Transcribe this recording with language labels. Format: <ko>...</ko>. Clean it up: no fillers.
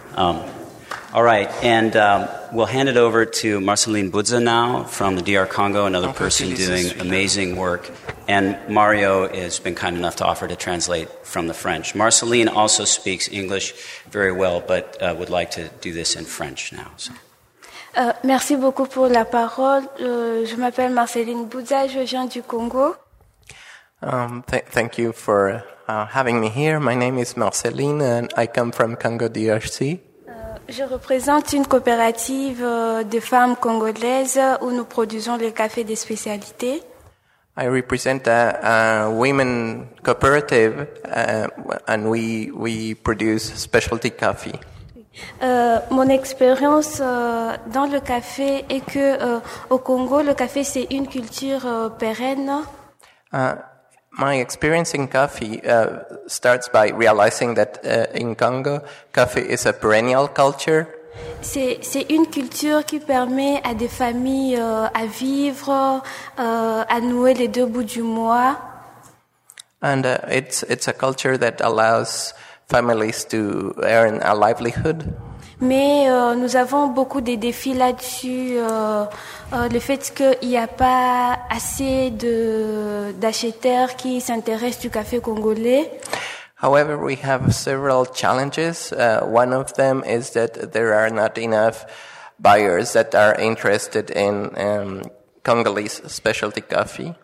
<en>All right, and we'll hand it over to Marceline Budza now from the DR Congo, another person doing amazing work, and Mario has been kind enough to offer to translate from the French. Marceline also speaks English very well, but would like to do this in French now, so.</en> <fr>Merci beaucoup pour la parole. Je m'appelle Marceline Budza, je viens du Congo.</fr> <en>Thank you for having me here. My name is Marceline and I come from Congo DRC.</en> <fr>Je représente une coopérative de femmes congolaises où nous produisons les cafés des spécialités.</fr> <en>I represent a women cooperative and we produce specialty coffee.</en> <fr>Mon expérience dans le café est que au Congo, le café c'est une culture pérenne.</fr> <en>My experience in coffee starts by realizing that in Congo, coffee is a perennial culture.</en> <fr>C'est une culture qui permet à des familles à vivre, à nouer les deux bouts du mois.</fr> <en>And it's a culture that allows families to earn a livelihood.</en> <fr>Mais nous avons beaucoup de défis là-dessus. Le fait qu'il n'y a pas assez d'acheteurs qui s'intéressent du café congolais.</fr> <en>However, we have several challenges. One of them is that there are not enough buyers that are interested in Congolese specialty coffee.</en>